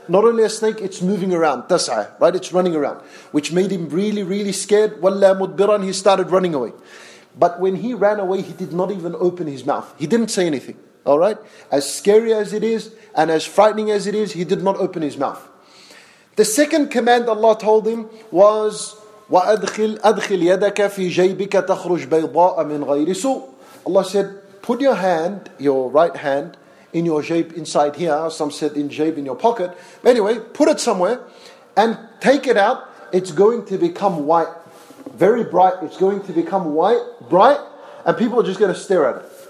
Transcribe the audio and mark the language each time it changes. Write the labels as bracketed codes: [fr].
[en] Not only a snake, it's moving around. [ar] تَسْعَى. [en] Right? It's running around. Which made him really, really scared. [ar] وَلَّا مُدْبِرًا. [en] He started running away. But when he ran away, he did not even open his mouth. He didn't say anything. All right? As scary as it is, and as frightening as it is, he did not open his mouth. The second command Allah told him was, [ar] وَأَدْخِلْ يَدَكَ فِي جَيْبِكَ تَخْرُجْ بَيْضَاءَ مِنْ غَيْرِ سُوءٍ. [en] Allah said, put your hand, your right hand, in your jayb, inside here. Some said in jayb, in your pocket. But anyway, put it somewhere and take it out. It's going to become white. Very bright. It's going to become white, bright, and people are just going to stare at it.